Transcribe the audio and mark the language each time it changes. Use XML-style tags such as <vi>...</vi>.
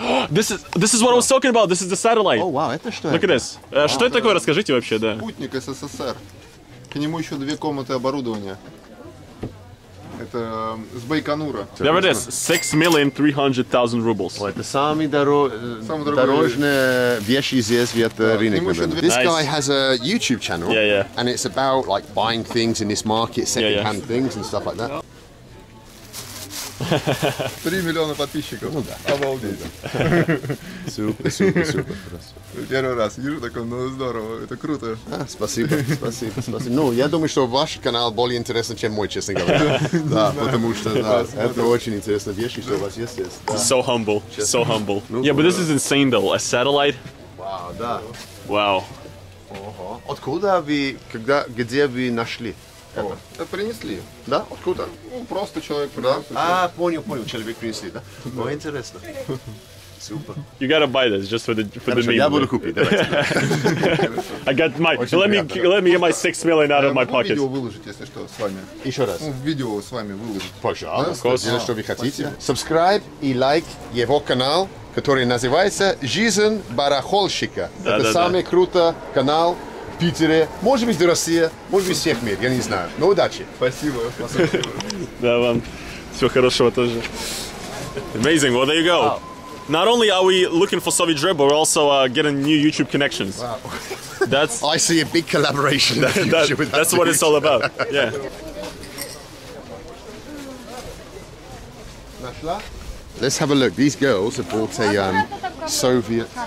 <en>This is what I was talking about. This is the satellite. Oh, wow,</en> <ru>это что?</ru> <en>Look at this.</en> <ru>Что это такое? Расскажите вообще, да. Спутник СССР. К нему еще две комнаты оборудования. Это с Байконура.</ru> <en>There it is. 6,300,000 rubles.</en> <ru>Oh, это самые дорожные вещи здесь в этом рынке.</ru> <en>This guy has a YouTube channel. Yeah, yeah. And it's about like buying things in this market, second-hand things and stuff like that.</en> <ru>3 миллиона подписчиков. Ну да. Обалдеть. Супер. Первый раз вижу такой, ну здорово, это круто. Спасибо. Ну, я думаю, что ваш канал более интересный, чем мой, честно говоря. Да, потому что, да, это очень интересная вещь, что у вас есть.</ru> <en>So humble. Yeah, but this is insane though, a satellite.</en> <ru>Вау, да. Вау. Откуда вы, когда, где вы нашли? Это принесли. Да? Откуда? Ну, просто человек принесли. Да? А, понял, человек принесли, да? Ну, интересно. Super.</ru> <en>You gotta buy this just for the meme.</en> <ru>Я буду купить.</ru> <en>I got my. Очень let me get my 6 million out of my pocket.</en> <ru>Видео выложить, если что, с вами. Еще раз. Видео с вами выложить. Пожалуйста. Если что вы хотите. Спасибо. Subscribe и лайк его канал, который называется «Жизнь барахольщика». Да, это самый крутой канал. В Питере, может быть, в России, может быть, всех мир, я не знаю. Но удачи. Спасибо. Да, вам всего хорошего тоже.</ru> <en>Amazing. Well, there you go. Wow. Not only are we looking for Soviet drip, but we're also getting new YouTube connections. Wow. That's. I see a big collaboration. That's what it's all about. Yeah. Let's have a look. These girls have bought a Soviet</en>